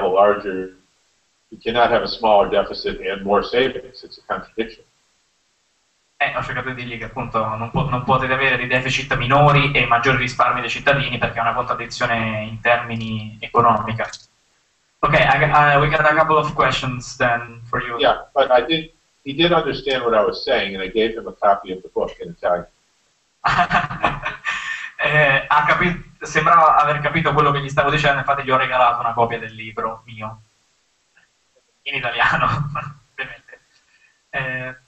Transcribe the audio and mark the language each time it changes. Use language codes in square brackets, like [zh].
[en] You cannot have a smaller deficit and more savings, it's a contradiction. [it] Ho cercato di dirgli che appunto non potete avere dei deficit minori e maggiori risparmi dei cittadini perché è una contraddizione in termini economica. [en] Okay, we got a couple of questions then for you. Yeah, but he did understand what I was saying and I gave him a copy of the book in Italian. [it] Sembrava aver capito quello che gli stavo dicendo, infatti gli ho regalato una copia del libro mio in italiano, ovviamente.